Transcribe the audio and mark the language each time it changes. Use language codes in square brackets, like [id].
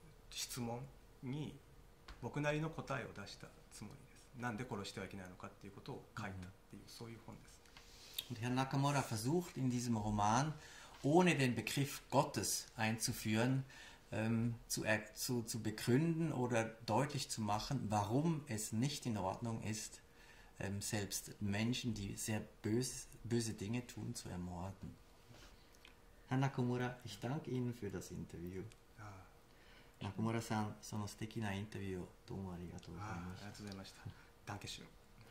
[de] Deshalb, [ja] 僕なりの答えを出したつもりです。なんで殺してはいけないのかっていうことを書いたっていう、そういう本です。 [de] Und Herr Nakamura versucht in diesem Roman, ohne den Begriff Gottes einzuführen, zu begründen oder deutlich zu machen, warum es nicht in Ordnung ist, selbst Menschen, die sehr böse Dinge tun, zu ermorden. Herr Nakamura, ich danke Ihnen für das Interview. [ja] 中村さん、その素敵なインタビューをどうもありがとうございました。ありがとうございました。ダンケシュー。